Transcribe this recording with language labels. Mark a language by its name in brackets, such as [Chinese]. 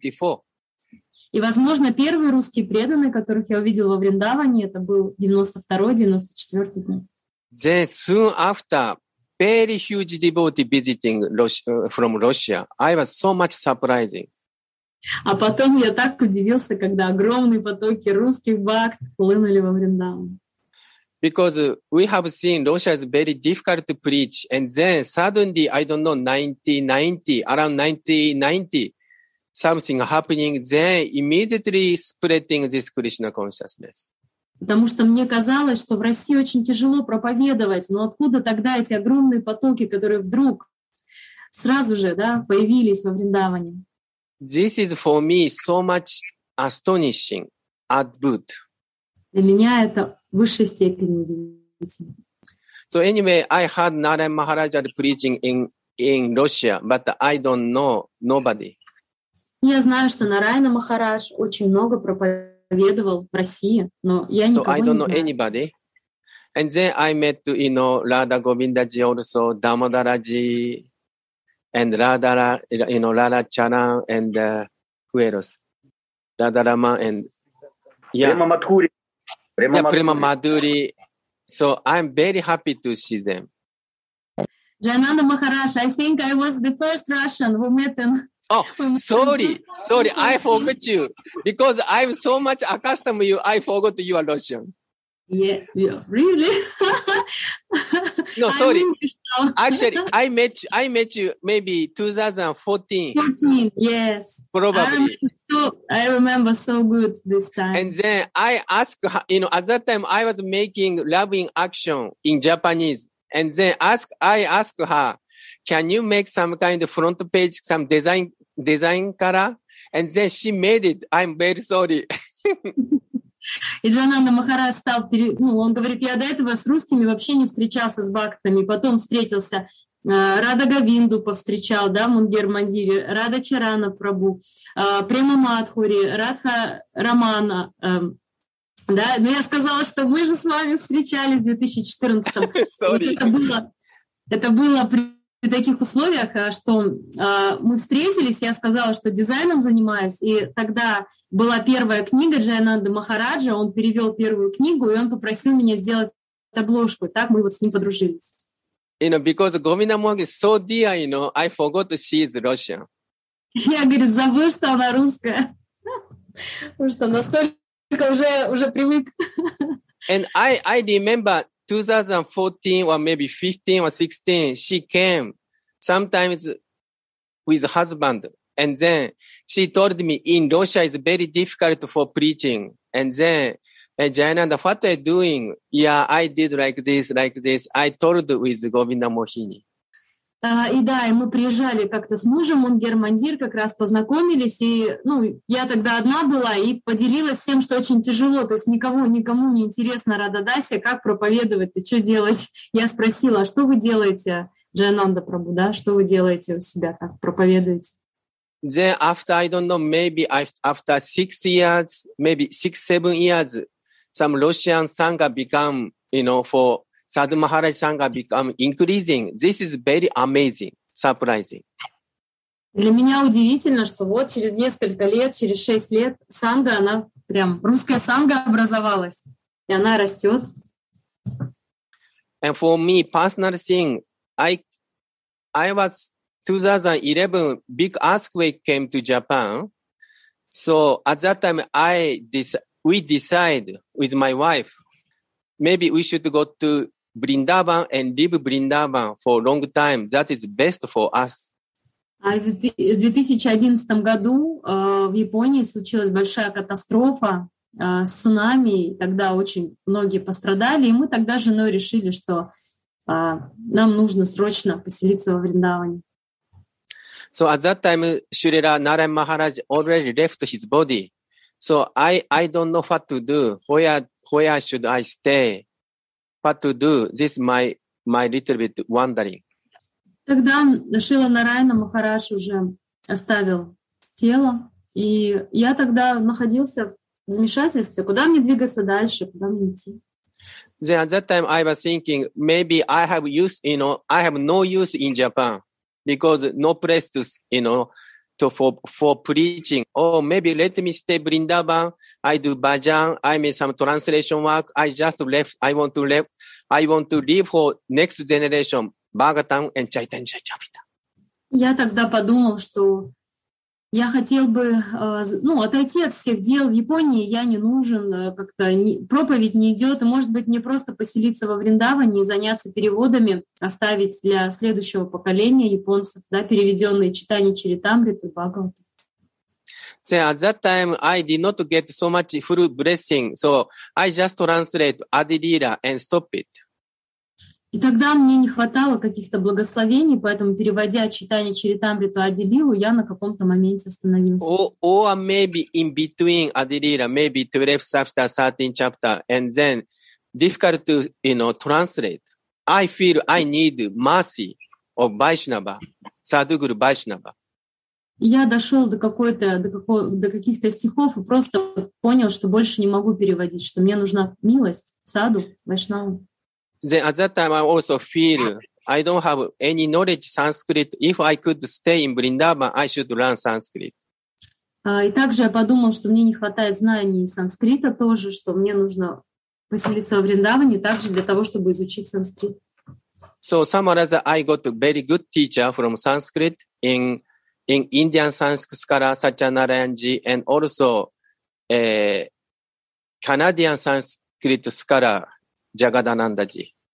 [English] 92 or 94. [Russian] И, возможно, первый русский преданный, которых я увидел во Вриндаване, это был 92-94 год. [English] Then soon after, very huge devotee visiting Russia, from Russia. I was so much surprising. [Russian] А потом я так удивился, когда огромные потоки русских бхакт хлынули во Вриндаван. [English] Because we have seen Russia is very difficult to preach. And then suddenly, I don't know, 1990, something happening, then immediately spreading this Krishna consciousness. [Russian] Потому что мне казалось, что в России очень тяжело проповедовать, но откуда тогда эти огромные потоки, которые вдруг сразу же, да, появились во Вриндаване? [English] This is for me so much astonishing, Adbhut. [Russian] Для меня это в высшей степени удивительно. [English] So anyway, I heard Narayan Maharaja preaching in Russia, but I don't know nobody. [Russian] Я знаю, что Нарайана Махарадж очень много проповедовал в России, но я никого не знаю. [English] So I don't know anybody. And then I met, you know, Radha Govinda ji also, Damodara ji, and Radha, you know, Radha Charan, and who else? Radha Rama, and yeah. Prema Madhuri. Prema Madhuri. So I'm very happy to see them. Jayananda Maharaj, I think I was the first Russian who met him. Oh, sorry, I forgot you. Because I'm so much accustomed to you, I forgot you are Russian. Yeah, really? No, sorry. Actually, I met you maybe 2014. 14, yes. Probably. I remember so good this time. And then I asked, you know, at that time I was making loving action in Japanese. And then I asked her, can you make some kind of front page, some design kara, and then she made it. I'm very sorry. [Russian] И Джайананда Махарадж стал, ну, он говорит, я до этого с русскими вообще не встречался, с бхактами. Потом встретился Радха Говинду, повстречал, да, Мунгер Мандире, Радха Чарана Прабу, Према Мадхури, Радха Рамана. Да, но я сказала, что мы же с вами встречались в 2014-м. [English] Sorry. [Russian] Это было при таких условиях, что мы встретились, я сказала, что дизайном занимаюсь, и тогда была первая книга Джайананда Махараджа, он перевел первую книгу, и он попросил меня сделать обложку. Так мы вот с ним подружились. [English] You know, because Govinda Mohan is so dear, you know, I forgot she is Russian. [Russian] Я говорю, забыл, что она русская. Потому что настолько уже привык. [English] And I remember 2014 or maybe 15 or 16, she came sometimes with husband. And then she told me in Russia it's very difficult for preaching. And then, Jayananda, what are you doing? Yeah, I did like this. I told with Govinda Mohini. [Russian] И да, и мы приезжали как-то с мужем, он германдир, как раз познакомились, и, ну, я тогда одна была, и поделилась тем, что очень тяжело, то есть никому не интересно Рададасе, как проповедовать и что делать. Я спросила, а что вы делаете, Джайананда Прабу, да, что вы делаете у себя, как проповедуете? [English] Then after, I don't know, maybe after 6 years, maybe 6-7 years, some Russian Sangha become, you know, for Sadhu Maharaj Sangha become increasing. This is very amazing, surprising. [Russian] Для меня удивительно, что вот через несколько лет, через 6 лет, Сангха, она прям, русская Сангха образовалась, и она растет. [English] And for me, personal thing, I was 2011, big earthquake came to Japan. So at that time, we decide with my wife, maybe we should go to Vrindavan and live Vrindavan for a long time. That is best for us. [Russian] В 2011 году в Японии случилась большая катастрофа с цунами. Тогда очень многие пострадали. И мы тогда с женой решили, что нам нужно срочно поселиться во Вриндаване. [English] So at that time, Shurira Narayan Maharaj already left his body. So I don't know what to do. Where should I stay? What to do? This is my little bit wondering. [Russian] Тогда Шрила Нарайана Махарадж уже оставил тело, и я тогда находился в замешательстве. Куда мне двигаться дальше? Куда мне идти? [English] Then at that time I was thinking maybe I have use, you know, I have no use in Japan because no place to, you know, to for preaching. Oh, maybe let me stay Vrindavan. I do bhajan. I make some translation work. I just left. I want to leave for next generation. Bhagatam and Chaitanya Charita. [Russian] Я тогда подумал, что я хотел бы, ну, отойти от всех дел в Японии. Я не нужен, как-то проповедь не идет. Может быть, мне просто поселиться во Вриндаване и заняться переводами, оставить для следующего поколения японцев, да, переведенные читания Чаритамриты, Бхагаватам. [English] So at that time, I did not get so much full blessing, so I just translate Adilila and stop it. [Russian] И тогда мне не хватало каких-то благословений, поэтому, переводя читание Чаритамриту Адилилу, я на каком-то моменте остановился. [English] Or maybe in between Adilila, maybe 12th chapter, 13th chapter, and then difficult to, you know, translate. I feel I need mercy of Vaishnava, Sadhguru Vaishnava. [Russian] Я дошел до каких-то стихов и просто понял, что больше не могу переводить, что мне нужна милость, саду, Вайшнава. [English] Then at that time, I also feel I don't have any knowledge Sanskrit. If I could stay in Vrindavan, I should learn Sanskrit. [Russian] И также я подумал, что мне не хватает знаний санскрита тоже, что мне нужно поселиться в Вриндаване также для того, чтобы изучить санскрит. [English] So summarize, I got a very good teacher from Sanskrit in Indian Sanskara, Satyanarayanji, and also Canadian Sanskrit Skara. Jagadanandaji.